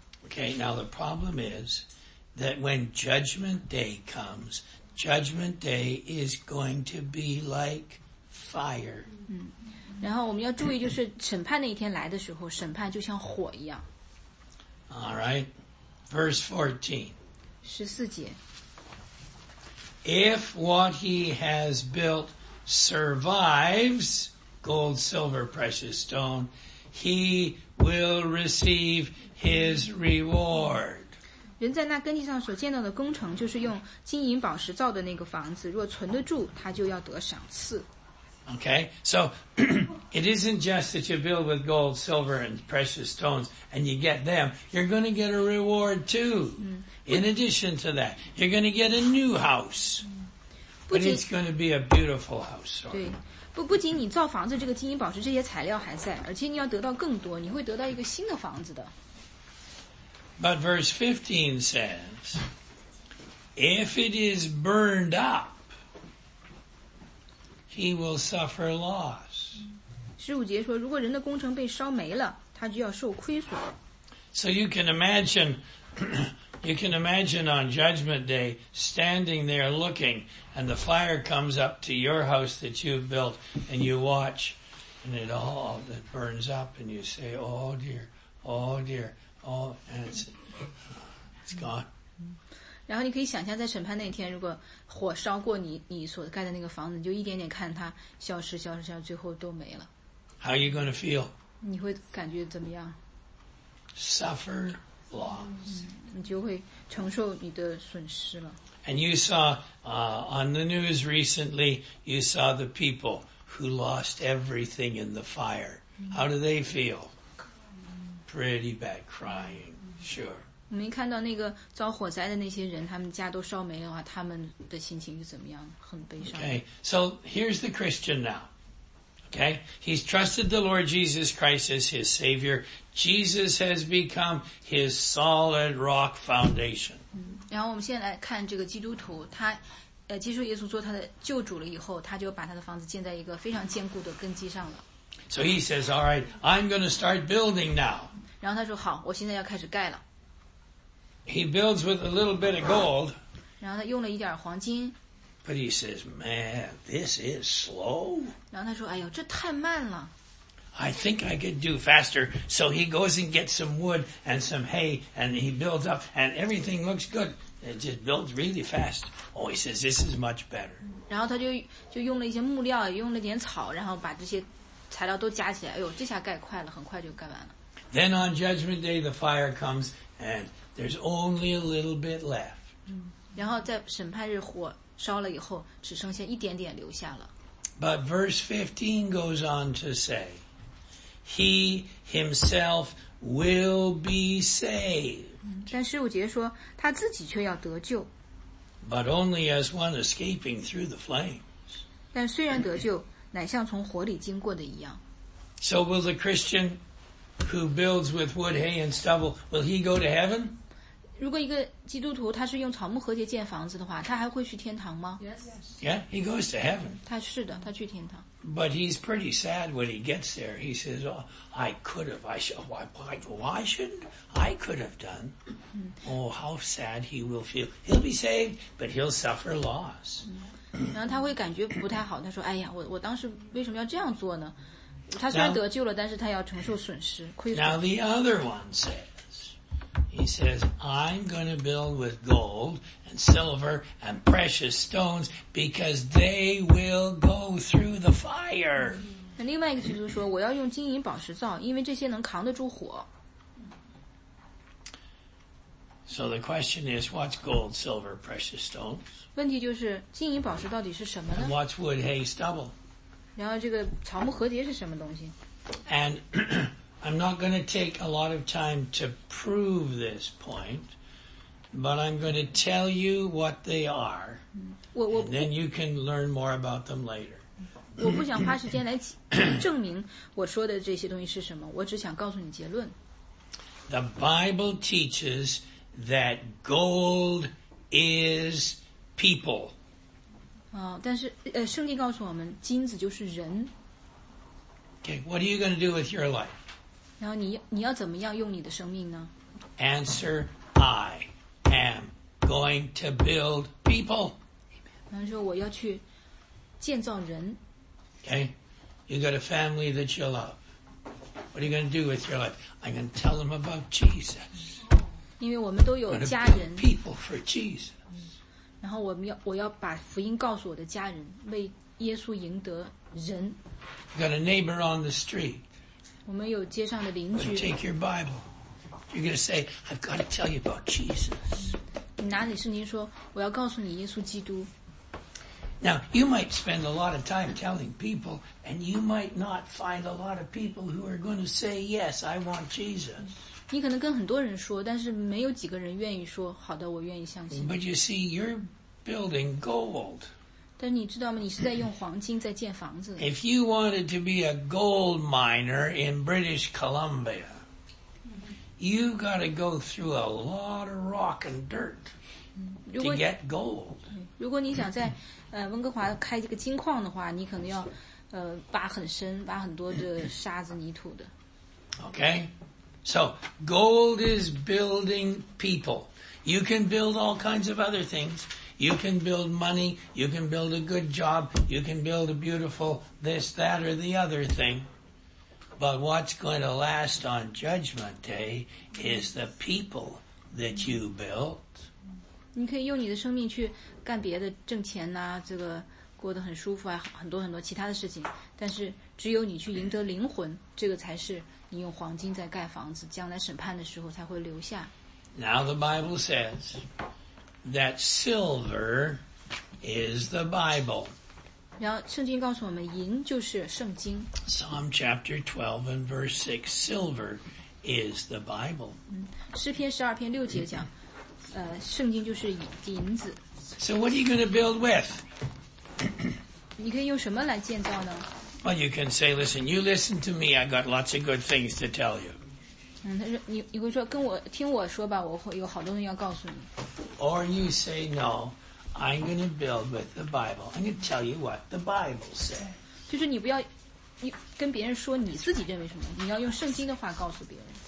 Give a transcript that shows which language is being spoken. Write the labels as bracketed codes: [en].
[en] Okay, now the problem is that when judgment day comes, judgment day is going to be like fire. [zh] 嗯，然后我们要注意，就是审判那一天来的时候，审判就像火一样。 [en] All right, verse 14. [zh] 十四节。 [en] If what he has built survives, gold, silver, precious stone, he will receive his reward. [zh] 人在那耕地上所建造的工程，就是用金银宝石造的那个房子，若存得住，他就要得赏赐。 [en] Okay, so it isn't just that you build with gold, silver, and precious stones, and you get them. You're going to get a reward too. In addition to that, you're going to get a new house. But it's going to be a beautiful house. [zh] 对，不仅你造房子，这个金银宝石这些材料还在，而且你要得到更多，你会得到一个新的房子的。 [en] But verse 15 says, if it is burned up,He will suffer loss. [zh] 十五节说，如果人的工程被烧没了，他就要受亏损。 [en] So you can imagine, you can imagine on Judgment Day, standing there looking, and the fire comes up to your house that you've built, and you watch, and it all it burns up, and you say, oh dear, oh dear, oh, and it's gone. [zh] 然后你可以想象，在审判那天，如果火烧过你所盖的那个房子，你就一点点看它消失、消失、消失，最后都没了。 [en] How are you going to feel? [zh] 你会感觉怎么样 [en] ？Suffer loss.、 [zh] 你就会承受你的损失了。 [en] And you saw, on the news recently, you saw the people who lost everything in the fire. How do they feel? Pretty bad, crying. Sure. [zh] 我们一看到那个遭火灾的那些人，他们家都烧没的话，他们的心情是怎么样？很悲伤。 [en] Okay, so here's the Christian now. Okay, he's trusted the Lord Jesus Christ as his Savior. Jesus has become his solid rock foundation. [zh] 然后我们现在来看这个基督徒，他接受耶稣做他的救主了以后，他就把他的房子建在一个非常坚固的根基上了。 [en] So he says, "All right, I'm going to start building now." [zh] 然后他说：“好，我现在要开始盖了。” [en] He builds with a little bit of gold. [zh] 然后他用了一点黄金。 [en] But he says, man, this is slow. [zh] 然后他说，哎呦，这太慢了。 [en] I think I could do faster. So he goes and gets some wood and some hay and he builds up and everything looks good. It just builds really fast. Oh, he says, this is much better. [zh] 然后他就用了一些木料，用了点草，然后把这些材料都加起来。哎呦，这下盖快了，很快就盖完了。 [en] Then on Judgment Day, the fire comes and there's only a little bit left. [zh] 然后在审判日火烧了以后，只剩下一点点留下了。 [en] But verse 15 goes on to say, he himself will be saved. [zh] 但十五节说，他自己却要得救。 [en] But only as one escaping through the flames. [zh] 但虽然得救，乃像从火里经过的一样。 [en] So will the Christian who builds with wood, hay, and stubble, will he go to heaven? [zh] 如果一个基督徒他是用草木和秸建房子的话，他还会去天堂吗 [en] ？Yes. Yeah, he goes to heaven. [zh] 他是的，他去天堂。 [en] But he's pretty sad when he gets there. He says, "Oh, I could have. I should. Why shouldn't I could have done?" Oh, how sad he will feel. He'll be saved, but he'll suffer loss. [zh] 然后他会感觉不太好。他说：“哎呀，我当时为什么要这样做呢？” 他虽然得救了，但是他要承受损失，亏损。 [en] Now the other one says, "He says I'm going to build with gold and silver and precious stones because they will go through the fire." [zh] 那另外一个基督说，我要用金银宝石造，因为这些能扛得住火。 [en] So the question is, what's gold, silver, precious stones? [zh] 问题就是金银宝石到底是什么呢 [en] ？And what's wood, hay, stubble? [zh] 然后这个草木禾秸是什么东西 [en] ？And I'm not going to take a lot of time to prove this point, but I'm going to tell you what they are, and then you can learn more about them later. [zh] 我不想花时间来证明我说的这些东西是什么，我只想告诉你结论。 [en] The Bible teaches. That gold is people. [zh] 但是圣经告诉我们，金子就是人。 [en] Okay, what are you going to do with your life? [zh] 然后你要怎么样用你的生命呢 [en] ？Answer: I am going to build people. [zh] 然后说我要去建造人。 [en] Okay, you got a family that you love. What are you going to do with your life? I'm going to tell them about Jesus. [zh] 因为我们都有家人 [en] people for Jesus. [zh] 然后我要把福音告诉我的家人为耶稣赢得人 [en] You've got a neighbor on the street. [zh] 我们有街上的邻居 [en] Take your Bible. You're going to say, I've got to tell you about Jesus. [zh] 你拿起圣经说我要告诉你耶稣基督 [en] Now, you might spend a lot of time telling people and you might not find a lot of people who are going to say, yes, I want Jesus. [zh] 你可能跟很多人说，但是没有几个人愿意说好的，我愿意相信。 [en] But you see, you're building gold. [zh] 但你知道吗？你是在用黄金在建房子。 [en] If you wanted to be a gold miner in British Columbia, you got to go through a lot of rock and dirt to get gold. [zh] 如果你想在温哥华开这个金矿的话，你可能要挖很深，挖很多的沙子泥土的。 [en] Okay. So, gold is building people. You can build all kinds of other things. You can build money. You can build a good job. You can build a beautiful this, that, or the other thing. But what's going to last on Judgment Day is the people that you built. [zh] 你可以用你的生命去干别的，挣钱呐、啊，这个过得很舒服啊，很多很多其他的事情。但是只有你去赢得灵魂，这个才是。你用黄金在盖房子，将来审判的时候才会留下。 [en] Now the Bible says that silver is the Bible. [zh] 然后圣经告诉我们，银就是圣经。 [en] Psalm chapter 12 and verse 6, silver is the Bible. [zh] 诗篇十二篇六节讲，圣经就是银子。 [en] So what are you going to build with? [zh] 你可以用什么来建造呢？ [en] Well, you can say, listen, you listen to me, I got lots of good things to tell you. [zh] 你会说跟我听我说吧，我会有好多人要告诉你。 [en] Or you say, no, I'm going to build with the Bible. I'm going to tell you what the Bible says. [zh] 就是你不要跟别人说你自己认为什么，你要用圣经的话告诉别人。